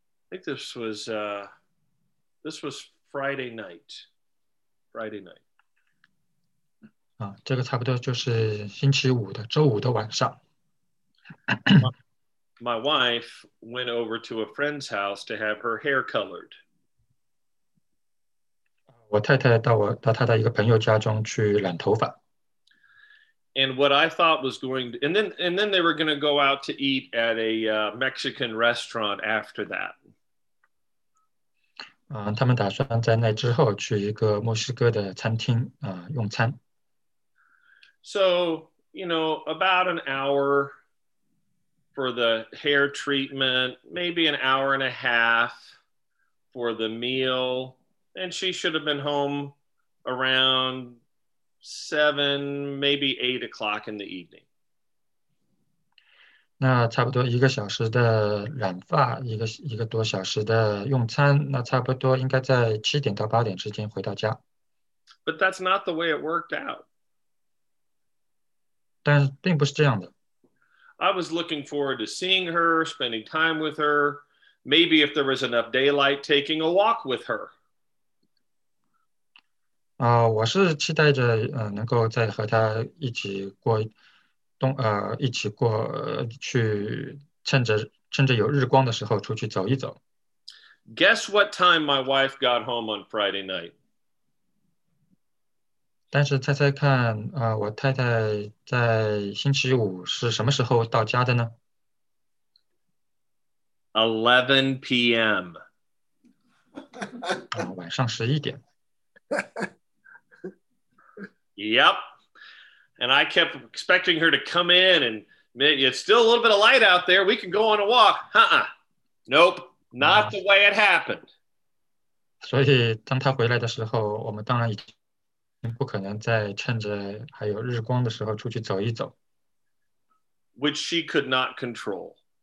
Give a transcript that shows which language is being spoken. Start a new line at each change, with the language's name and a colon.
English: I think this was Friday night. Friday night.
Chinese: 这个差不多就是星期五的，周五的晚上。
English: My wife went over to a friend's house to have her hair colored.
Chinese: 我太太到她的一个朋友家中去染头发。
English: And what I thought was going to, and then they were going to go out to eat at a Mexican restaurant after that.
Chinese: 他们打算在那之后去一个墨西哥的餐厅用餐。
English: So, you know, about an hour for the hair treatment, maybe an hour and a half for the meal. And she should have been home around 7, maybe 8 o'clock in the evening.
Chinese: 那差不多一个小时的染发，一个多小时的用餐，那差不多应该在7点到8点之间回到家。
English: But that's not the way it worked out.
Chinese: 但并不是这样的。
English: I was looking forward to seeing her, spending time with her, maybe if there was enough daylight, taking a walk with her.
Chinese: 我是期待着能够再和她一起过一起过去趁着有日光的时候出去走一走。
English: Guess what time my wife got home on Friday night?
Chinese: 但是猜猜看我太太在星期五是什么时候到家的呢？
English: 11 p.m.
Chinese: 晚上11点。
English: Yep. And I kept expecting her to come in and it's still a little bit of light out there. We can go on a walk. Uh-uh. Nope. Not the way it happened.
Chinese: 所以当她回来的时候，我们当然已经不可能再趁着还有日光的时候出去走一走。
English: Which she could not control.